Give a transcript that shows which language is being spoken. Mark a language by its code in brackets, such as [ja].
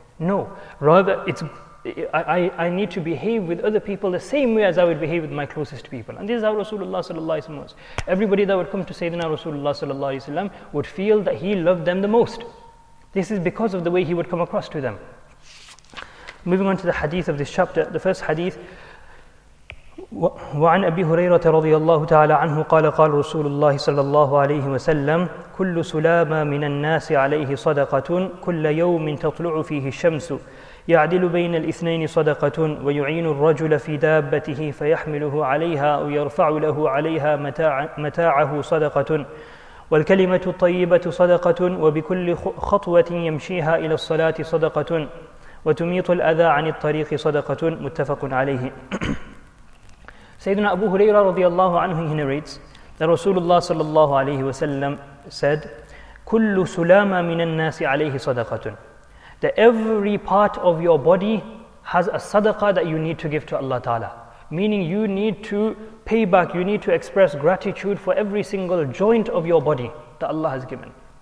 [en] No, rather it's... I need to behave with other people the same way as I would behave with my closest people. And this is how Rasulullah sallallahu alaihi wasallam was. Everybody that would come to Sayyidina Rasulullah sallallahu alaihi wasallam would feel that he loved them the most. This is because of the way he would come across to them. Moving on to the hadith of this chapter, the first hadith. [ar] وعن أبي هريرة رضي الله تعالى عنه قال قال رسول الله صلى الله عليه وسلم كل سلامة من الناس عليه صدقة كل يوم تطلع فيه الشمس يعدل بين الاثنين صدقة ويعين الرجل في دابته فيحمله عليها ويرفع له عليها متاعه صدقة والكلمة الطيبة صدقة وبكل خطوة يمشيها إلى الصلاة صدقة وتميط الأذى عن الطريق صدقة متفق عليه. [en] Sayyidina Abu Huraira radiallahu anhu, he narrates that Rasulullah sallallahu alayhi wa sallam said, [ar] كُلُّ سُلَامَ مِنَ النَّاسِ عَلَيْهِ صَدَقَةٌ. [en] That every part of your body has a sadaqah that you need to give to Allah Ta'ala. Meaning you need to pay back, you need to express gratitude for every single joint of your body that Allah has given.